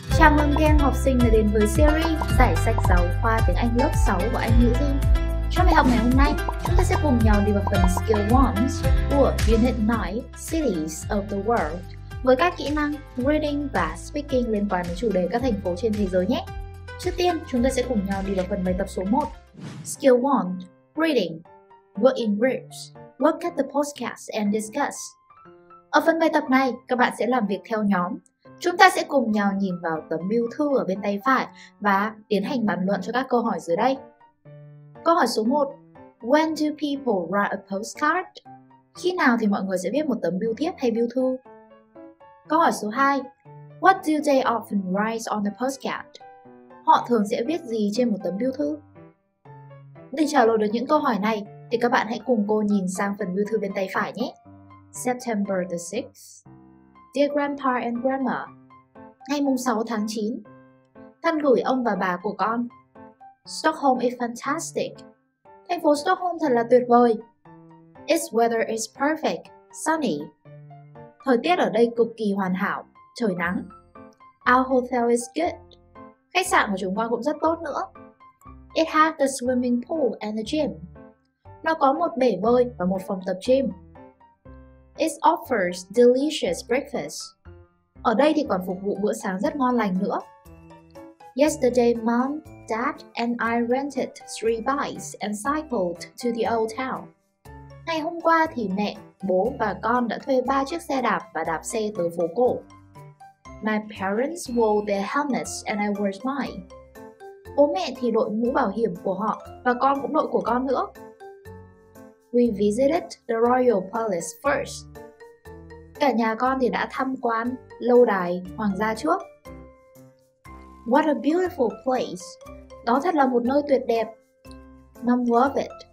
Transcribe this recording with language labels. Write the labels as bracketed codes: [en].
[vi] Chào mừng các em học sinh đã đến với series Giải sách giáo khoa tiếng Anh lớp 6 của anh Hữu Duy. Trong bài học ngày hôm nay, chúng ta sẽ cùng nhau đi vào phần Skill 1 của Unit 9 Cities of the World với các kỹ năng Reading và Speaking liên quan đến chủ đề các thành phố trên thế giới nhé. Trước tiên, chúng ta sẽ cùng nhau đi vào phần bài tập số 1. [en] Skill 1 Reading Work in groups Work at the podcast and discuss. [vi] Ở phần bài tập này, các bạn sẽ làm việc theo nhóm. Chúng ta sẽ cùng nhau nhìn vào tấm bưu thư ở bên tay phải và tiến hành bàn luận cho các câu hỏi dưới đây. Câu hỏi số 1. [en] When do people write a postcard? [vi] Khi nào thì mọi người sẽ viết một tấm bưu thiếp hay bưu thư? Câu hỏi số 2. [en] What do they often write on the postcard? [vi] Họ thường sẽ viết gì trên một tấm bưu thư? Để trả lời được những câu hỏi này, thì các bạn hãy cùng cô nhìn sang phần bưu thư bên tay phải nhé. [en] September the 6th. Dear Grandpa and Grandma, [vi] ngày 6 tháng 9, thân gửi ông và bà của con. [en] Stockholm is fantastic. [vi] Thành phố Stockholm thật là tuyệt vời. [en] Its weather is perfect, sunny. [vi] Thời tiết ở đây cực kỳ hoàn hảo, trời nắng. [en] Our hotel is good. [vi] Khách sạn của chúng con cũng rất tốt nữa. [en] It has a swimming pool and a gym. [vi] Nó có một bể bơi và một phòng tập gym. [en] It offers delicious breakfast. [vi] Ở đây thì còn phục vụ bữa sáng rất ngon lành nữa. [en] Yesterday, Mom, Dad and I rented 3 bikes and cycled to the old town. [vi] Ngày hôm qua thì mẹ, bố và con đã thuê 3 chiếc xe đạp và đạp xe tới phố cổ. [en] My parents wore their helmets and I wore mine. [vi] Bố mẹ thì đội mũ bảo hiểm của họ và con cũng đội của con nữa. [en] We visited the Royal Palace first. [vi] Cả nhà con thì đã tham quan lâu đài hoàng gia trước. [en] What a beautiful place. [vi] Đó thật là một nơi tuyệt đẹp. [en] Mom loved it.